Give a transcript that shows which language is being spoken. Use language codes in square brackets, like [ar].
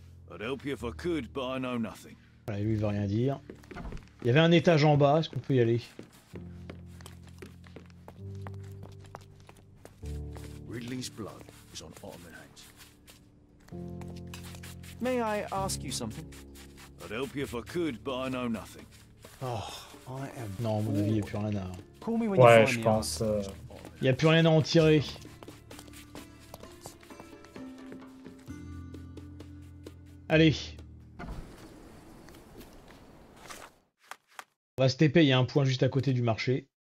[en] I'd help you if I could, but I know nothing. [fr] Voilà, lui, il veut rien dire. Il y avait un étage en bas, est-ce qu'on peut y aller? [en] Ridley's blood is on Ottoman hands. May I ask you something? I'd help you if I could, but I know nothing. Oh, I am. [fr] Non, mon avis, il n'y a plus rien à. [en] Call me when [fr] ouais, [en] you find [fr] je pense. Il n'y a plus rien à en tirer. Allez. On va se TP, il y a un point juste à côté du marché.